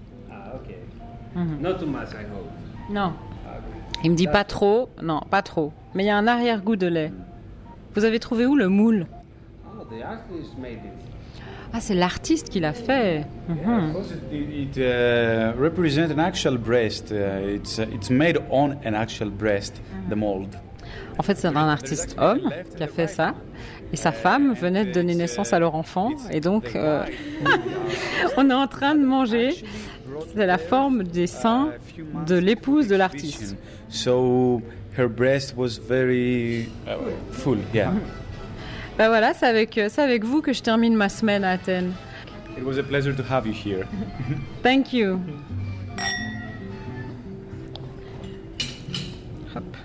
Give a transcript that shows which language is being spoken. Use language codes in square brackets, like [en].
[en] Ah, ok. Mm-hmm. Not too much, I hope. [fr] Non. Il me dit pas trop. Non, pas trop. Mais il y a un arrière-goût de lait. Vous avez trouvé où le moule? [en] Oh, the artist made it. [fr] Ah, c'est l'artiste qui l'a fait. [en] Mm-hmm. Yeah, it represents an actual breast. It's made on an actual breast, the mold. [fr] En fait, c'est un artiste homme qui a fait ça. Et sa femme venait de donner naissance à leur enfant. Et donc, on est en train de manger. C'est la forme des seins de l'épouse de l'artiste. [en] So, her breast was very full, yeah. [fr] Ben voilà, c'est avec vous que je termine ma semaine à Athènes. [en] It was a pleasure to have you here. Thank you. Hop.